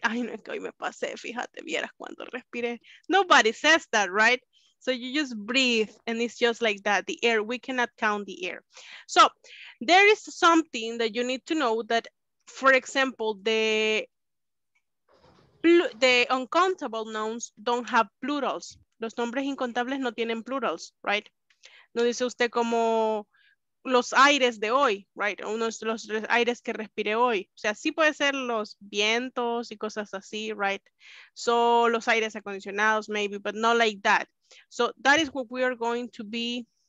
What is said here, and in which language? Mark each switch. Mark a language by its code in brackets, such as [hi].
[es] Ay, no, es que hoy me pasé, fíjate, vieras cuánto respiré. [en] Nobody says that, right? So you just breathe and it's just like that, the air. We cannot count the air. So there is something that you need to know that, for example, the uncountable nouns don't have plurals. [es] Los nombres incontables no tienen plurals, right? No dice usted como los aires de hoy, right? Uno de los aires que respire hoy. O sea, sí puede ser los vientos y cosas así, right? [en] So, [es] los aires acondicionados, [en] maybe, but not like that. So, that is what we are going to be